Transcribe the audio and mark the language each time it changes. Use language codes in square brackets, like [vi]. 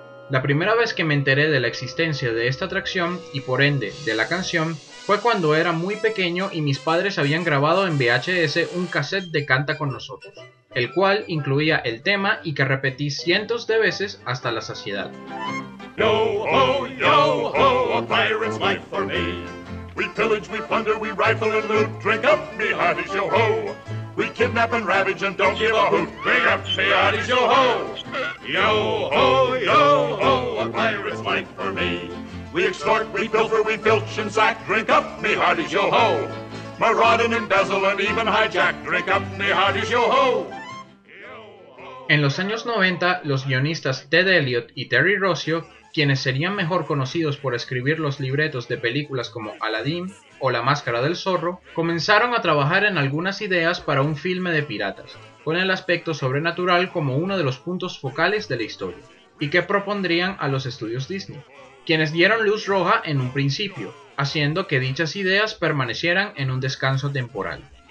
[es] La primera vez que me enteré de la existencia de esta atracción, y por ende, de la canción, fue cuando era muy pequeño y mis padres habían grabado en VHS un cassette de Canta con Nosotros, el cual incluía el tema y que repetí cientos de veces hasta la saciedad. [en] Yo ho, yo ho, a pirate's life for me. We pillage, we plunder, we rifle and loot, drink up, me hearties, yo ho. We kidnap and ravage and don't give a hoot, drink up, me hearties, yo ho. Yo ho, yo ho, a pirate's life for me. We extort, we pilfer, we filch and sack, drink up, me hearties, yo ho. Maraud and embezzle and even hijack, drink up, me hearties, yo ho. [es] En los años 90, los guionistas Ted Elliott y Terry Rossio, quienes serían mejor conocidos por escribir los libretos de películas como Aladdin o La Máscara del Zorro, comenzaron a trabajar en algunas ideas para un filme de piratas, con el aspecto sobrenatural como uno de los puntos focales de la historia, y que propondrían a los estudios Disney, quienes dieron luz roja en un principio, haciendo que dichas ideas permanecieran en un descanso temporal.